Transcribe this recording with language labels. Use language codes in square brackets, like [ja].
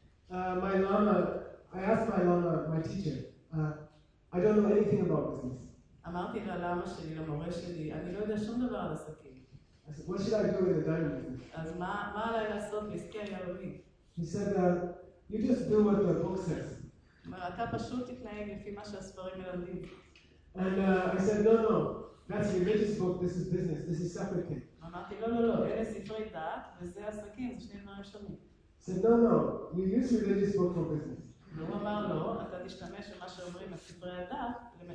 [en] My lama, I asked my lama, my teacher, I don't know anything about business. [he] אמרתי ללמה שלי, למורה שלי, אני לא יודע שום דבר על עסקים. אז מה שאני אגיד את הדיון הזה? אז מה עליי לעשות בעסקי היהלומים? [en] He said that you just do what the book says. [he] אתה פשוט תתנהג לפי מה שהספרים מלמדים. [en] And I said, no, no, that's a religious book, this is business, this is separate. [he] אמרתי, לא, אלה ספרי דת, וזה עסקים, זה שני דברים שונים. [en] He said, no, you use religious book for business. [he] והוא אמר לו, אתה תשתמש במה שאומרים הספרי הדת,